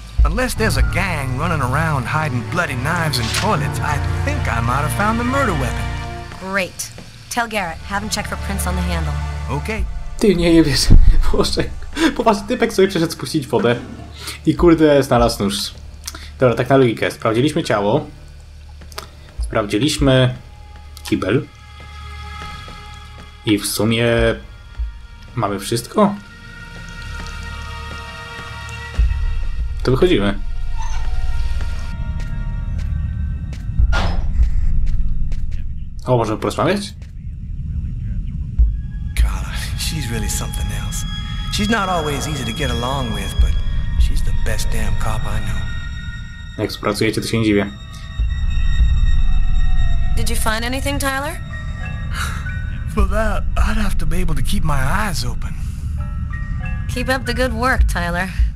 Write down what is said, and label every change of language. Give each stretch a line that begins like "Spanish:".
English: Unless there's a gang running around hiding bloody knives in toilets, I think I might have found the murder weapon. Great. Tell Garrett, have him check for prints on the handle. Okay.
Polish: Ty, nie, nie wierzę. Boże. Popatrz, typek sobie przeszedł spuścić wodę. I kurde, znalazł nóż. Dobra, tak na logikę. Sprawdziliśmy ciało. Sprawdziliśmy kibel i w sumie mamy wszystko? To wychodzimy. O, możemy porozmawiać?
English: Carla, she's really something else. She's not always easy to get along with, but she's the best damn cop I know.
Polish: Jak współpracujecie, to się nie dziwię.
English: Did you find anything, Tyler? For that, I'd have to be able to keep my eyes open. Keep up the good work, Tyler.